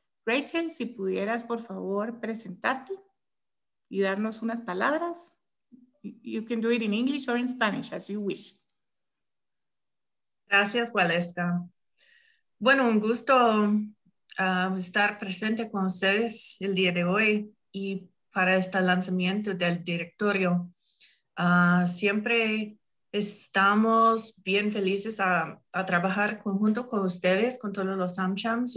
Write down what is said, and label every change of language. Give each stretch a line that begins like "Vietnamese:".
Spanish: Rachel, si pudieras por favor presentarte y darnos unas palabras.
English: You can do it in English or in Spanish, as you wish.
Spanish: Gracias, Waleska. Bueno, un gusto estar presente con ustedes el día de hoy y para este lanzamiento del directorio. Siempre estamos bien felices a trabajar conjunto con ustedes, con todos los AmChams.